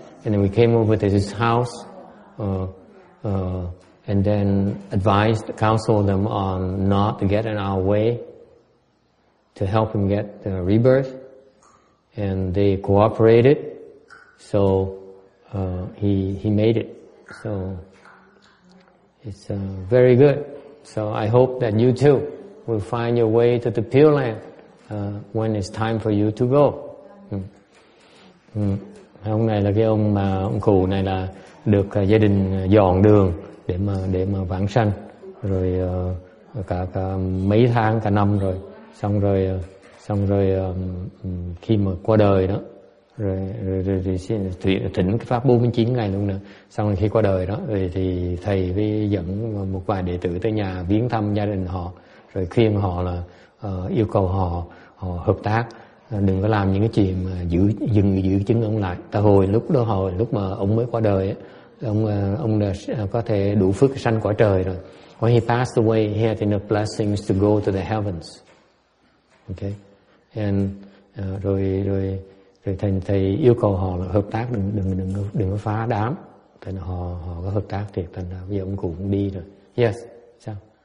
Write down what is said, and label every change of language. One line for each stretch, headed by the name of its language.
English: And then we came over to his house, and then counseled them on not to get in our way, to help him get the rebirth, and they cooperated, so he made it. So it's very good. So I hope that you too will find your way to the Pure Land when it's time for you to go.
Vietnamese: Hôm nay là cái ông cụ này là được gia đình dọn đường để mà vãng sanh rồi cả mấy tháng cả năm rồi. Xong rồi khi mà qua đời đó, rồi thỉnh cái pháp 49 ngày luôn nữa. Xong rồi khi qua đời đó thì thầy với dẫn một vài đệ tử tới nhà viếng thăm gia đình họ, rồi khuyên họ là yêu cầu họ hợp tác, đừng có làm những cái chuyện mà giữ chứng ông lại. Tại hồi lúc đó hồi lúc mà ông mới qua đời ấy, ông có thể đủ phước sanh quả trời rồi.
English: When he passed away, he had enough blessings to go to the heavens. Okay, and
Vietnamese: rồi thầy yêu cầu họ là hợp tác, đừng có phá đám, thì họ có hợp tác thiệt, thành ra bây giờ ông cụ cũng đi rồi. Yes, sao?